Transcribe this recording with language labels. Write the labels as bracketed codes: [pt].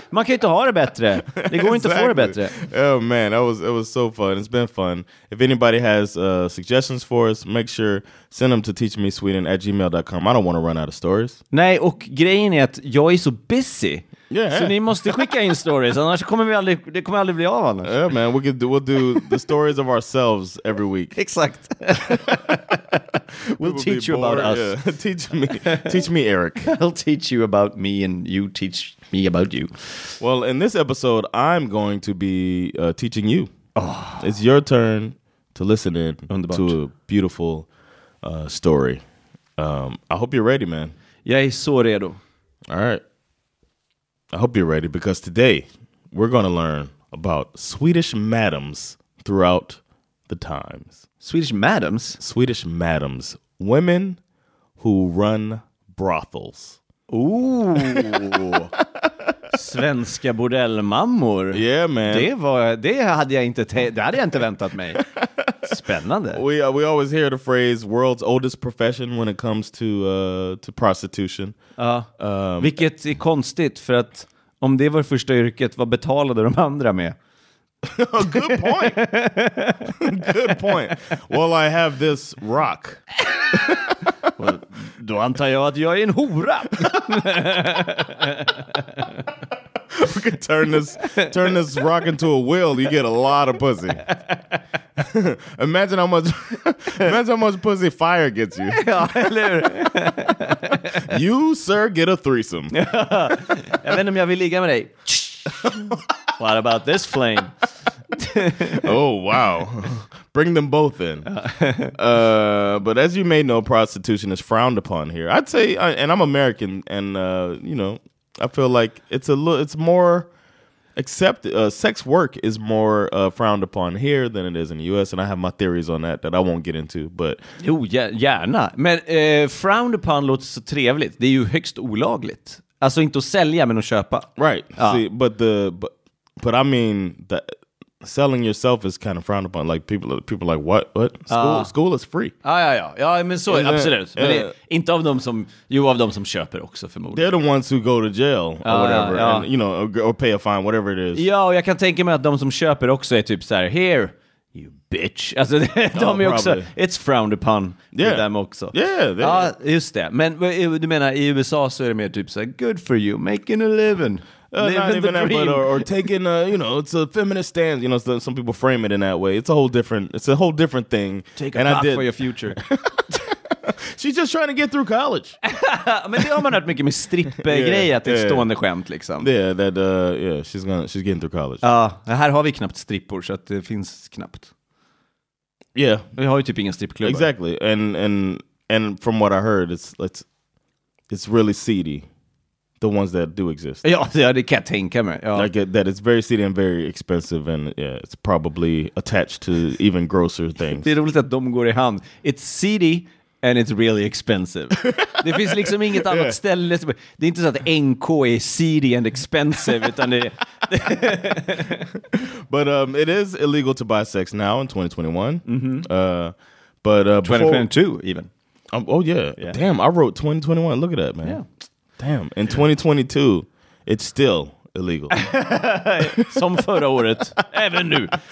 [sv] Man kan ju inte ha det bättre. Det går inte att få det bättre. [en] Oh man, it was so fun. It's been fun. If anybody has suggestions for us, make sure send them to teachmesweden@gmail.com. I don't want to run out of stories. [sv] Nej, och grejen är att jag är så busy. [en] Yeah. [sv] Så ni måste skicka in stories, annars kommer vi aldrig, det kommer aldrig bli av annars. [en] Yeah man, we'll do the stories of ourselves every week. [sv] Exakt. [en] We'll teach you about us. Yeah. Teach me Eric. I'll teach you about me and you teach me about you. Well, in this episode I'm going to be teaching you. Oh. It's your turn to listen in to a beautiful story. I hope you're ready, man. [sv] Jag är så redo. [en] All right. I hope you're ready, because today we're going to learn about Swedish madams throughout the times. Swedish madams? Swedish madams. Women who run brothels. [sv] Ooh. Svenska bordellmammor. [en] Yeah, man. [sv] Det hade jag inte väntat mig. Spännande. [en] We always hear the phrase world's oldest profession when it comes to prostitution. [sv] Vilket är konstigt, för att om det var första yrket, vad betalade de andra med? [en] Good point. Well, I have this rock. [sv] Well, då antar jag att jag är en hora. [en] We could turn this rock into a wheel. You get a lot of pussy. imagine how much pussy fire gets you. You, sir, get a threesome. [sv] Jag vet inte om jag vill ligga med dig. [en] What about this flame? Oh, wow. Bring them both in. But as you may know, prostitution is frowned upon here. I'd say, and I'm American, and, you know, I feel like it's more accepted. Sex work is more frowned upon here than it is in the U.S., and I have my theories on that I won't get into. But [sv] jo, gärna. Men [en] frowned upon [sv] låter så trevligt. Det är ju högst olagligt. Alltså inte att sälja, men att köpa. [en] Right. Ja. See, but I mean, selling yourself is kind of frowned upon. Like people are like, what? School is free. [sv] Ja, men så, absolut. Men inte av dem som, jo, av dem som köper också förmodligen. [en] They're the ones who go to jail or whatever. And, you know, or pay a fine, whatever it is. [sv] Ja, och jag kan tänka mig att de som köper också är typ så här, [en] here, you bitch. [sv] Alltså, de är också, [en] it's frowned upon with them [sv] också. [en] Yeah, [sv] ja, just det. Men du menar, i USA så är det mer typ så här, [en] good for you, making a living. Or taking a, you know, it's a feminist stance. You know, so some people frame it in that way. It's a whole different thing. Take a knock for your future. She's just trying to get through college. [sv] Men det har man hört mycket med strippgrejer, att det är stående skämt liksom. [en] She's getting through college. [sv] Här har vi knappt strippor, så att det finns knappt. [en] Yeah. [sv] Vi har ju typ inga strippklubbar. [en] Exactly. And from what I heard, it's really seedy. The ones that do exist. [sv] Ja, det kan jag tänka mig. Ja. [en] Like that it's very seedy and very expensive and it's probably attached to even grosser things. [sv] Det är roligt att de går i hand. [en] It's seedy and it's really expensive. [sv] Det finns liksom inget annat ställe. Det är inte så att NK är [en] seedy and expensive, [sv] utan det är... [en] But it is illegal to buy sex now in 2021. Mm-hmm. But 2022 even. Damn, I wrote 2021. Look at that, man. Yeah. Damn, in 2022, it's still illegal. [sv] Som förra året, även nu.